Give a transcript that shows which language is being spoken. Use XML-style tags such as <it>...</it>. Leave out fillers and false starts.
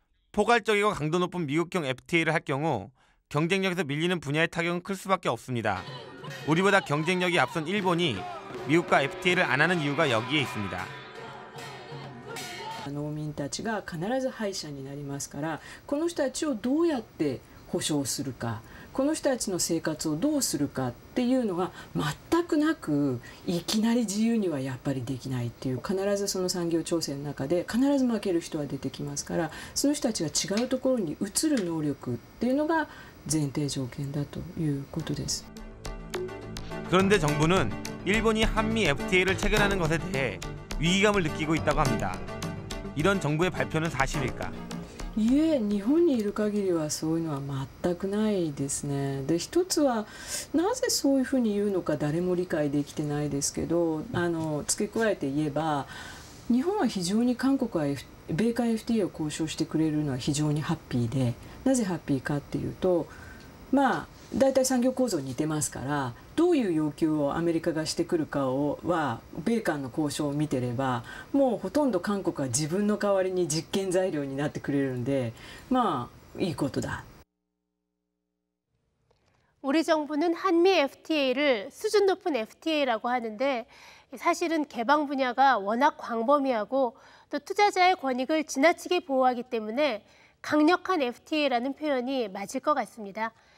<ko>포괄적이고 강도 높은 미국형 FTA를 할 경우 경쟁력에서 밀리는 분야의 타격은 클 수밖에 없습니다. 우리보다 경쟁력이 앞선 일본이 미국과 FTA를 안 하는 이유가 여기에 있습니다. 농민들이 반드시 패자가 되기 때문에 이 사람들을 어떻게 보상할까?</ko> <ja>この人たちの生活をどうするかっていうのが全くなく、いきなり自由にはやっぱりできないっていう、必ずその産業調整の中で必ず負ける人は出てきますから、その人たちが違うところに移る能力っていうのが前提条件だということです。</ja> <ko>그런데정부는일본이한미 FTA를 체결하는것에대해위기감을느끼고있다고합니다。 이런정부의발표는사실일까？</ko> <ja>いえ、日本にいる限りはそういうのは全くないですね。で、一つはなぜそういうふうに言うのか誰も理解できてないですけど、付け加えて言えば、日本は非常に韓国は米韓 FTA を交渉してくれるのは非常にハッピーで、なぜハッピーかっていうと、まあ大体産業構造似てますから、どういう要求をアメリカがしてくるかは米韓の交渉を見てれば、もうほとんど韓国は自分の代わりに実験材料になってくれるんで、まあいいことだ。</ja> <ko>우리 정부는 한미 FTA를 수준 높은 FTA라고 하는데, 사실은 개방 분야가 워낙 광범위하고 또 투자자의 권익을 지나치게 보호하기 때문에 강력한 FTA라는 표현이 맞을 것 같습니다.</ko>